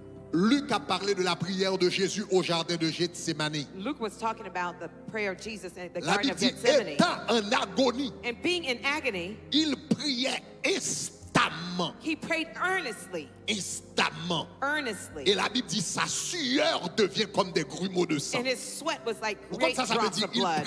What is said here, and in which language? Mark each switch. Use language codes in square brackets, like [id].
[fr] Luc a parlé de la prière de Jésus au jardin de Gethsémani. [en] Luke was talking about the prayer of Jesus at the Garden of Gethsémani. [fr] Étant en agonie, [en] and being in agony, [fr] il priait instamment. [en] He prayed earnestly. [fr] Instamment. [en] Earnestly. [fr] Et la Bible dit sa sueur devient comme des grumeaux de sang. [en] And his sweat was like great drops of blood.